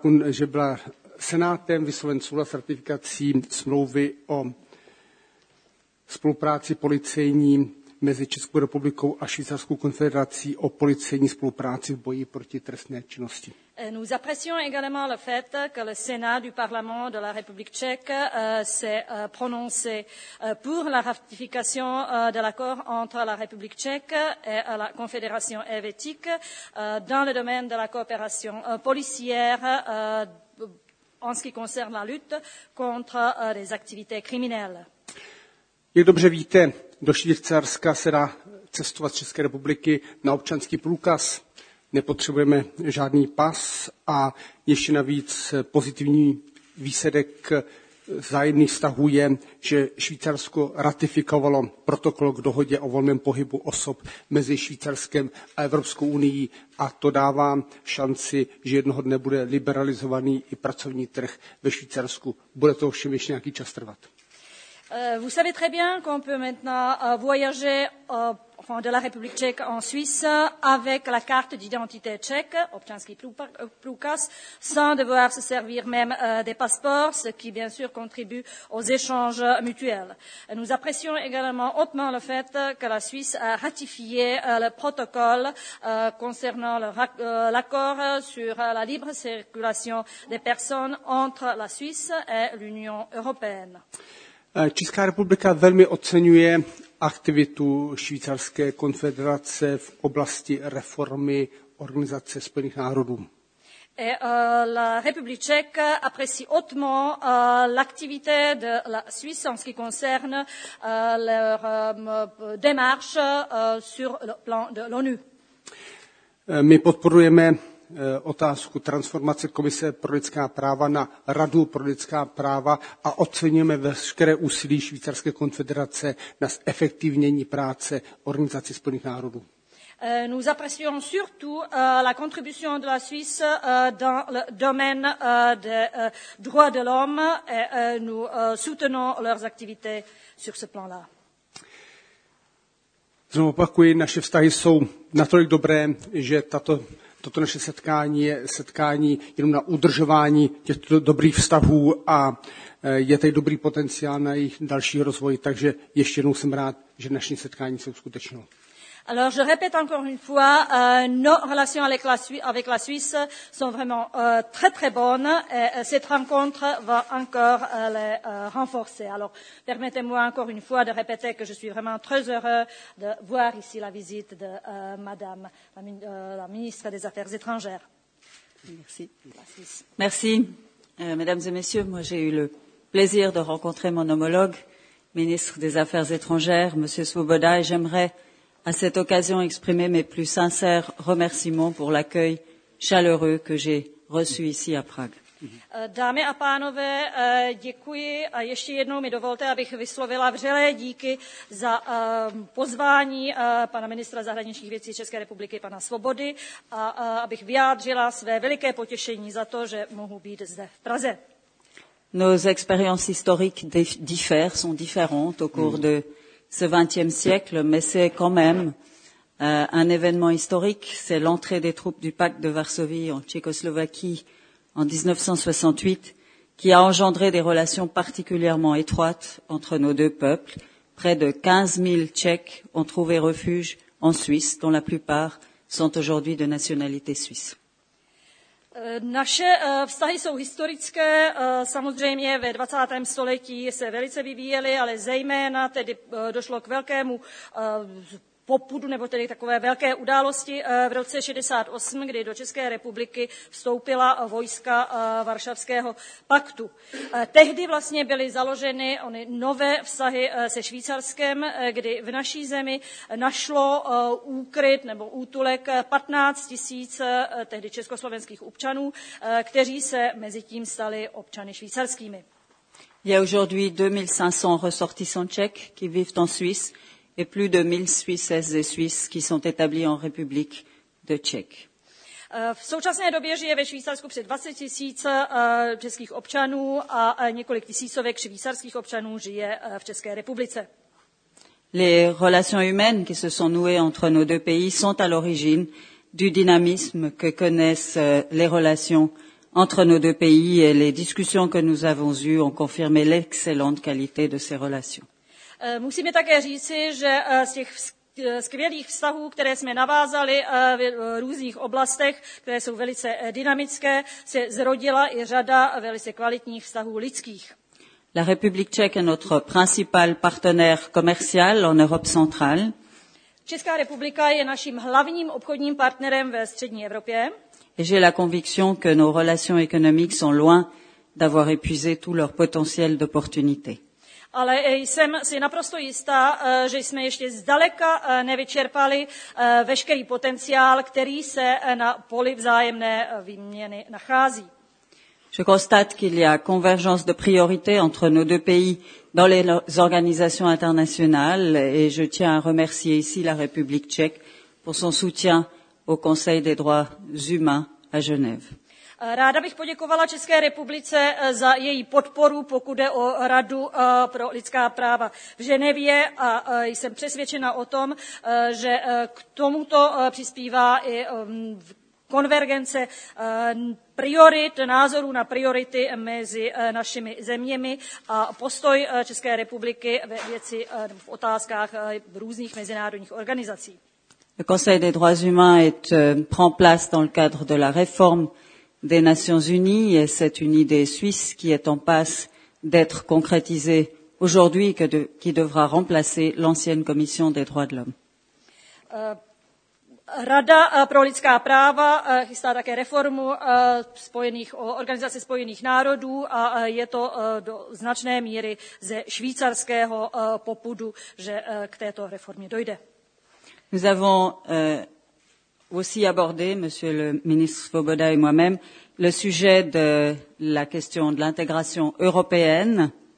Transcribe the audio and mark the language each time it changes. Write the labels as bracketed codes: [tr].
[cs] Že byla Senátem vysloven souhlas s ratifikací smlouvy o spolupráci policejní mezi Českou republikou a Švýcarskou konfederací o policejní spolupráci v boji proti trestné činnosti. [fr] Nous apprécions également le fait que le Sénat du Parlement de la République tchèque s'est prononcé pour la ratification de l'accord entre la République tchèque et la Confédération helvétique dans le domaine de la coopération policière en ce qui concerne la lutte contre les activités criminelles. [cs] Jak dobře víte, do Švýcarska se dá cestovat z České republiky na občanský průkaz. Nepotřebujeme žádný pas a ještě navíc pozitivní výsledek vzájemných vztahů je, že Švýcarsko ratifikovalo protokol k dohodě o volném pohybu osob mezi Švýcarskem a Evropskou unií a to dává šanci, že jednoho dne bude liberalizovaný i pracovní trh ve Švýcarsku. Bude to ovšem ještě nějaký čas trvat. [fr] Vous savez très bien qu'on peut maintenant voyager de la République tchèque en Suisse avec la carte d'identité tchèque, [cs] občanský průkaz, [fr] sans devoir se servir même des passeports, ce qui bien sûr contribue aux échanges mutuels. Nous apprécions également hautement le fait que la Suisse a ratifié le protocole concernant l'accord sur la libre circulation des personnes entre la Suisse et l'Union européenne. [cs] Česká republika velmi oceňuje aktivitu Švýcarské konfederace v oblasti reformy Organizace spojených národů. [fr] La République tchèque apprécie hautement l'activité de la Suisse en ce qui concerne leur démarche sur le plan de l'ONU. [cs] My podporujeme otázku transformace Komise pro lidská práva na Radu pro lidská práva a oceňujeme veškeré úsilí Švýcarské konfederace na zefektivnění práce Organizace spojených národů. [fr] Nous apprécions surtout la contribution de la Suisse dans le domaine des droits de l'homme et nous soutenons leurs activités sur ce plan-là. [cs] Znovu opakuji, naše vztahy jsou natolik dobré, že toto naše setkání je setkání jenom na udržování těchto dobrých vztahů a je tady dobrý potenciál na jejich další rozvoj, takže ještě jednou jsem rád, že naše setkání se uskutečnilo. [fr] Alors, je répète encore une fois, nos relations avec la Suisse sont vraiment très très bonnes et cette rencontre va encore les renforcer. Alors, permettez-moi encore une fois de répéter que je suis vraiment très heureux de voir ici la visite de Madame la ministre des Affaires étrangères. Merci. Merci. Mesdames et messieurs, moi j'ai eu le plaisir de rencontrer mon homologue, ministre des Affaires étrangères, Monsieur Svoboda, et j'aimerais à cette occasion, exprimer mes plus sincères remerciements pour l'accueil chaleureux que j'ai reçu ici à Prague. [cs] Dámy a pánové, děkuji a ještě jednou mi dovolte, abych vyslovila vřelé díky za pozvání pana ministra zahraničních věcí České republiky, pana Svobody, a abych vyjádřila své veliké potěšení za to, že mohu být zde v Praze. [fr] Nos expériences historiques diffèrent, sont différentes au cours de ce 20e siècle, mais c'est quand même un événement historique. C'est l'entrée des troupes du pacte de Varsovie en Tchécoslovaquie en 1968 qui a engendré des relations particulièrement étroites entre nos deux peuples. Près de 15 000 Tchèques ont trouvé refuge en Suisse, dont la plupart sont aujourd'hui de nationalité suisse. [cs] Naše vztahy jsou historické, samozřejmě ve 20. století se velice vyvíjely, ale zejména tedy došlo k velkému popudu, nebo tedy takové velké události v roce 68, kdy do České republiky vstoupila vojska Varšavského paktu. Tehdy vlastně byly založeny ony nové vztahy se Švýcarskem, kdy v naší zemi našlo úkryt nebo útulek 15 tisíc tehdy československých občanů, kteří se mezi tím stali občany švýcarskými. [fr] Je aujourd'hui 2500 ressortissants tchèques qui vivent en Suisse. Et plus de 1000 Suisses et Suisses qui sont établis en République de Tchèque. [cs] V současné době žije ve Švýcarsku přes 20 tisíc českých občanů a několik tisícovek švýcarských občanů žije v České republice. [fr] Les relations humaines qui se sont nouées entre nos deux pays sont à l'origine du dynamisme que connaissent les relations entre nos deux pays et les discussions que nous avons eues ont confirmé l'excellente qualité de ces relations. [cs] Musíme také říci, že z těch skvělých vztahů, které jsme navázali v různých oblastech, které jsou velice dynamické, se zrodila i řada velice kvalitních vztahů lidských. [fr] La République tchèque est notre principal partenaire commercial en Europe centrale. [cs] Česká republika je naším hlavním obchodním partnerem ve střední Evropě. [fr] Et j'ai la conviction que nos relations économiques sont loin d'avoir épuisé tout leur potentiel d'opportunité. [cs] Ale jsem si naprosto jistá, že jsme ještě zdaleka nevyčerpali veškerý potenciál, který se na poli vzájemné výměny nachází. [fr] Je constate qu'il y a convergence de priorités entre nos deux pays dans les organisations internationales et je tiens à remercier ici la République tchèque pour son soutien au Conseil des droits humains à Genève. [cs] Ráda bych poděkovala České republice za její podporu, pokud jde o Radu pro lidská práva v Ženevě a jsem přesvědčena o tom, že k tomuto přispívá i konvergence priorit, názorů na priority mezi našimi zeměmi a postoj České republiky ve věci v otázkách různých mezinárodních organizací. [fr] Le Conseil des droits humains prend place dans le cadre de la réforme des Nations Unies, et c'est une idée suisse qui est en passe d'être concrétisée aujourd'hui qui devra remplacer l'ancienne Commission des droits de l'homme. [cs] Rada pro lidská práva chystá také reformu Organizace spojených národů a je to do značné míry ze švýcarského popudu, že k této reformě dojde. [fr] Nous avons aussi abordé, monsieur le ministre Svoboda et moi-même, le sujet de la question de l'intégration européenne.